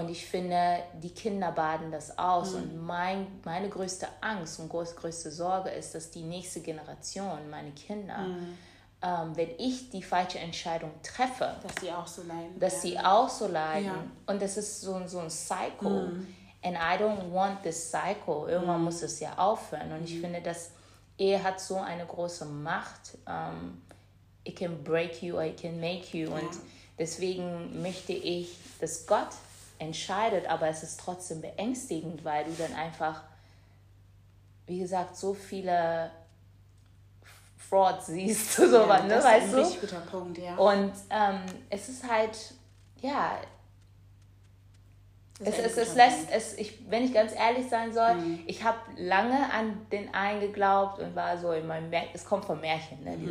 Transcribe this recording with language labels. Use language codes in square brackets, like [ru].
[de] Und ich finde, die Kinder baden das aus. Und meine größte Angst und größte Sorge ist, dass die nächste Generation, meine Kinder, wenn ich die falsche Entscheidung treffe, dass sie auch so leiden. Und das ist so ein Cycle. [en] And I don't want this cycle. [de] Irgendwann muss es ja aufhören. Und ich finde, dass Ehe hat so eine große Macht. [en] It can break you or it can make you. [de] Und deswegen möchte ich, dass Gott entscheidet, aber es ist trotzdem beängstigend, weil du dann einfach, wie gesagt, so viele Frauds siehst, sowas, ne? Weißt du? Das ist ein richtig guter Punkt, ja. Und es ist halt, ja, wenn ich ganz ehrlich sein soll, ich habe lange an den einen geglaubt und war so in meinem Märchen, es kommt vom Märchen, ne?